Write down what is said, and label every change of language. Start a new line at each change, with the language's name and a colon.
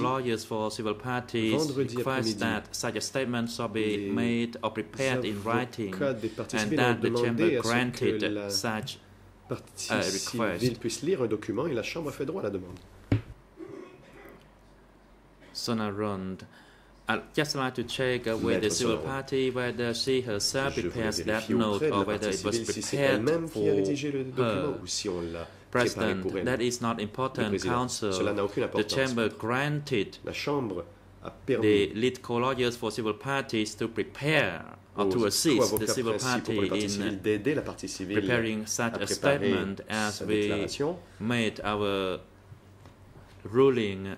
English: lawyers for civil parties request that such a statement shall be made or prepared in writing, and that the chamber granted such a request.
French: Ils puissent lire un document, et la chambre a fait droit à la demande.
English: Sonaron, I'd just like to check with the civil party whether she herself prepares that note or whether it was prepared for her. President, that is not important, Council. The chamber granted the lead co-lawyers for civil parties to prepare or to assist the civil party in preparing such a statement as we made our ruling